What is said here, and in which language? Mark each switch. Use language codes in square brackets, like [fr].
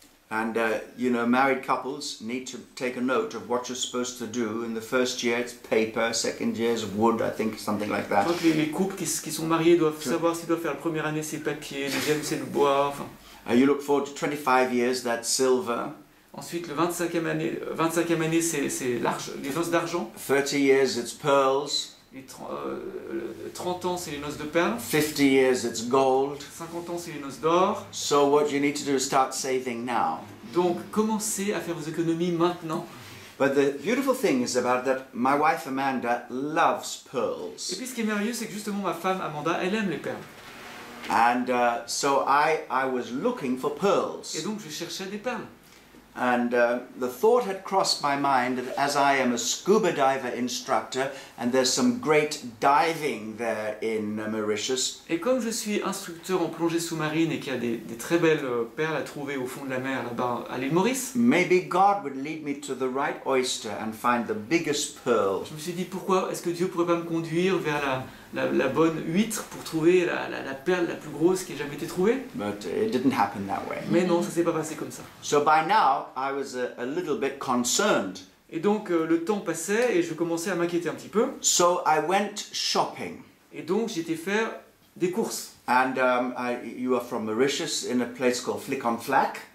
[en] And you know, married couples need to take a note of what you're supposed to do. In the first year, it's paper. Second year is wood, I think, something like that. [fr] Je crois que les couples qui sont mariés doivent savoir s'ils doivent faire la première année c'est papier, deuxième c'est le bois. Enfin. [en] You look forward to 25 years. That's silver. [fr] Ensuite, le 25e année, c'est l'argent, les noces d'argent. [en] 30 years, it's pearls. [fr] Les 30 ans, c'est les noces de perles. [en] 50 years, it's gold. [fr] 50 ans, c'est les noces d'or. [en] So what you need to do is start saving now. [fr] Donc, commencez à faire vos économies maintenant. [en] But the beautiful thing is about that my wife Amanda loves pearls. [fr] Et puis ce qui est merveilleux, c'est que justement ma femme Amanda, elle aime les perles. [en] And so I was looking for pearls. [fr] Et donc je cherchais des perles. [en] And the thought had crossed my mind that as I am a scuba diver instructor and there's some great diving there in Mauritius. [fr] Et comme je suis instructeur en plongée sous-marine et qu'il y a des très belles perles à trouver au fond de la mer là-bas à l'île Maurice. [en] Maybe God would lead me to the right oyster and find the biggest pearl. [fr] Je me suis dit pourquoi est-ce que Dieu pourrait pas me conduire vers la bonne huître pour trouver la perle la plus grosse qui ait jamais été trouvée. [en] But it didn't happen that way. [fr] Mais non, ça s'est pas passé comme ça. [en] So by now, I was a little bit concerned. [fr] Et donc le temps passait et je commençais à m'inquiéter un petit peu. [en] So I went shopping. [fr] Et donc j'étais faire des courses. [en] And you are from Mauritius in a place called Flic-en-Flac.